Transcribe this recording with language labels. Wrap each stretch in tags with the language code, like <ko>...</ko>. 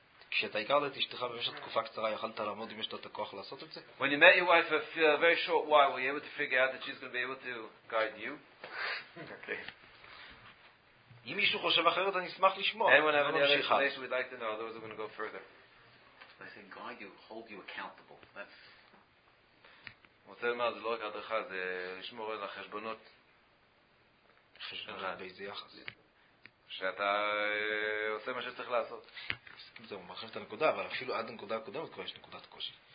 <he>כשאתה הכרת את אשתך במשך תקופה קצרה, יכלת לעמוד אם יש לו את הכוח לעשות את זה?</he> <en>When you met your wife for a very short while, were you able to figure out that she's going to be able to guide you? Okay.</en> <he>אם מישהו חושב אחרת, אני אשמח לשמוע.</he> <en>Anyone have any other explanation we'd like to know, otherwise we're going to go further. I think guide you, hold you accountable. That's...</en> <he>רוצה למה, זה לא רק הדרכה, זה לשמור על החשבונות. חשבונות באיזה יחס. שאתה עושה מה שצריך לעשות. זה מרחיב את הנקודה, אבל אפילו עד הנקודה הקודמת כבר יש נקודת קושי.</he>